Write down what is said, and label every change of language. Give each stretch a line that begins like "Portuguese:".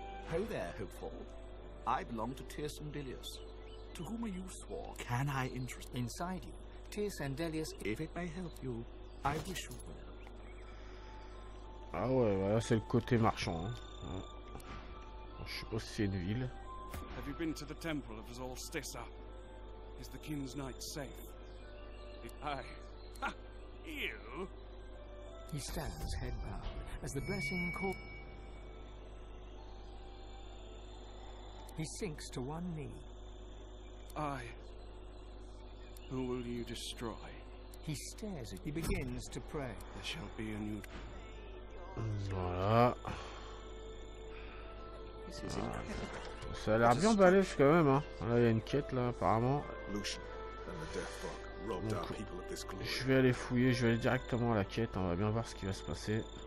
English: Ho there, hopeful. I belong to Tearsendelius. To whom are you sworn? Can I interest inside you? Tearsendelius, if it may help you, I wish you well.
French: Ah ouais, voilà, c'est le côté marchand. Hein. Ouais. Je sais pas si c'est une ville.
English: Have you been to the temple of Zolstissa? Is the king's knight safe? Aye. Ha! You? He stands head bowed as the blessing calls. He sinks to one knee. I... Who will you destroy? He stares at... He begins to pray. There shall be a new...
French: Voilà.
English: This is incredible.
French: Ça a l'air bien balèche quand même, hein. Là, il y a une quête, là, apparemment.
English: Lucian and the Death Fog robbed our people of this glory.
French: Je vais aller fouiller, je vais aller directement à la quête. On va bien voir ce qui va se passer.